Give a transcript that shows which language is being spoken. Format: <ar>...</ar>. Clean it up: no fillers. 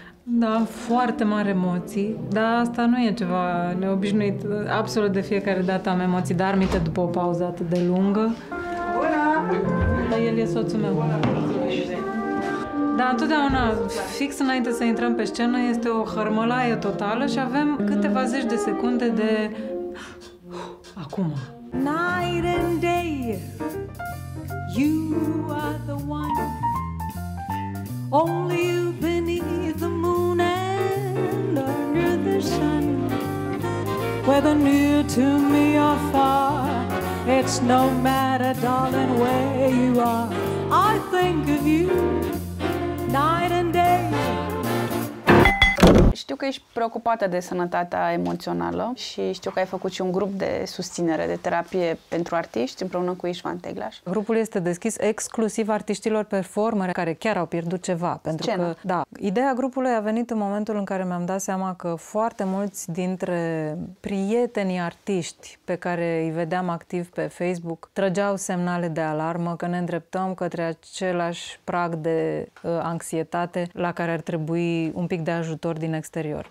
<ro>Da, foarte mari emoții, dar asta nu e ceva neobișnuit, absolut de fiecare dată am emoții darmite după o pauză atât de lungă. Bună! Dar el e soțul meu. Da, întotdeauna, fix înainte să intrăm pe scenă, este o hărmălaie totală și avem câteva zeci de secunde de... Acum!</ro> <en>Night and day, you are the one. Only you beneath the moon and under the sun. Whether near to me or far, it's no matter, darling, where you are. I think of you night and day.</en> <ro>Știu că ești preocupată de sănătatea emoțională și știu că ai făcut și un grup de susținere, de terapie pentru artiști, împreună cu Ișvan Teglaș. Grupul este deschis exclusiv artiștilor performere care chiar au pierdut ceva. Pentru scenă. Că, da, ideea grupului a venit în momentul în care mi-am dat seama că foarte mulți dintre prietenii artiști pe care îi vedeam activ pe Facebook trăgeau semnale de alarmă că ne îndreptăm către același prag de anxietate la care ar trebui un pic de ajutor din exterior.</ro>